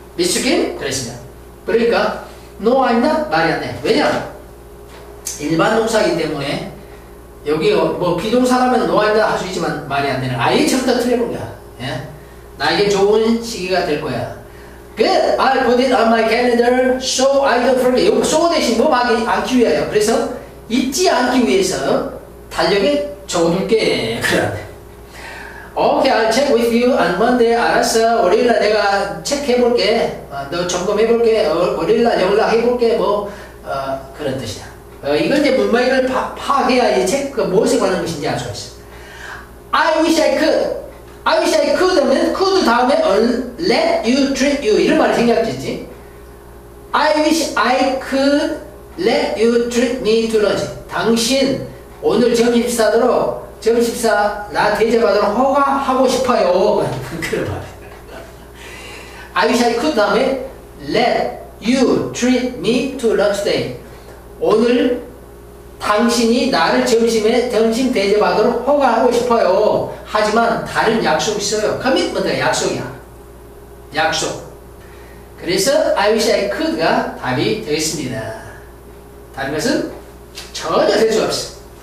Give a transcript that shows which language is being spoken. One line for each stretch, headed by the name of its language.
Korean: 미스킨? 그랬습니다. 그러니까,
English: no, I'm not?
Korean: 말이 안 돼. 왜냐? 일반 동사이기 때문에, 여기 뭐, 비동사라면
English: no, I'm not
Korean: 할 수 있지만 말이 안 되는, 아예 처음부터 틀려본 거야. 예? 나에게 좋은 시기가 될 거야.
English: Good. I'll put it on my calendar so I don't forget.
Korean: 요, so 대신 뭐 막 안기 위하여. 그래서 잊지 않기 위해서 달력에 적어둘게. 그래.
English: Okay. I'll check with you on Monday.
Korean: 알았어. 월요일날 내가 체크해볼게. 너 점검해볼게. 월요일날 연락해볼게. 뭐, 그런 뜻이야. 이건 이제 문맥을 파악해야 이 체크가 무엇에 관한 것인지 알 수가 있어.
English: I wish I could. I wish I could
Korean: 하면
English: could 다음에 let you treat you
Korean: 이런 말이 생략되지.
English: I wish I could let you treat me to lunch.
Korean: 당신 오늘 점심 식사도록 점심사 나 대접하도록 허가하고 싶어요. 그런 말이.
English: I wish I could
Korean: 다음에
English: let you treat me to lunch day.
Korean: 오늘 당신이 나를 점심에 점심 대접하도록 허가하고 싶어요. 하지만 다른 약속이 있어요. Commitment가 약속이야. 약속. 그래서
English: I wish I could
Korean: 가 답이 되겠습니다. 다른 것은 전혀 될 수 없어.